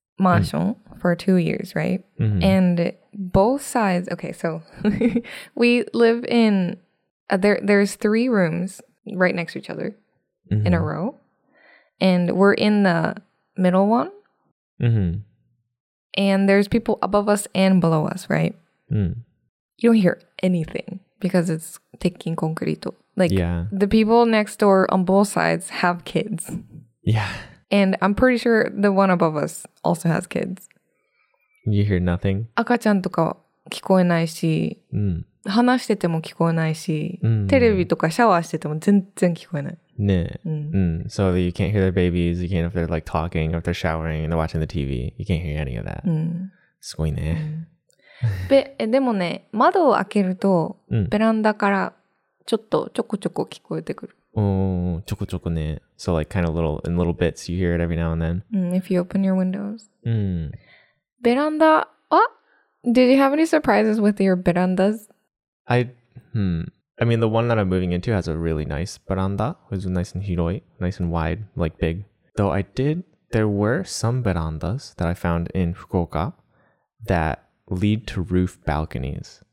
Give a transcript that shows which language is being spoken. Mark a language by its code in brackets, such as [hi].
[en] Mansion for 2 years, right? And both sides, okay, so we live in, there's three rooms right next to each other in a row, and we're in the middle one, and there's people above us and below us, right? You don't hear anything because it's taking concreto. Like, the people next door on both sides have kids. Yeah. And I'm pretty sure the one above us also has kids. You hear nothing? [ja] 赤ちゃんとか聞こえないし、話してても聞こえないし、テレビとかシャワーしてても全然聞こえない。ね。 [en] So you can't hear their babies, you can't hear if they're like talking, if they're showering, they're watching the TV. You can't hear any of that. [ja] すごいね。でもね、窓を開けると、ベランダからちょっとちょこちょこ聞こえてくる。 Oh, choco choco ne. [en] So like kind of little, in little bits, you hear it every now and then. If you open your windows. Beranda, what? Did you have any surprises with your berandas? I mean, the one that I'm moving into has a really nice beranda. It's nice and hiroi, nice and wide, like big. Though I did, there were some berandas that I found in Fukuoka that lead to roof balconies.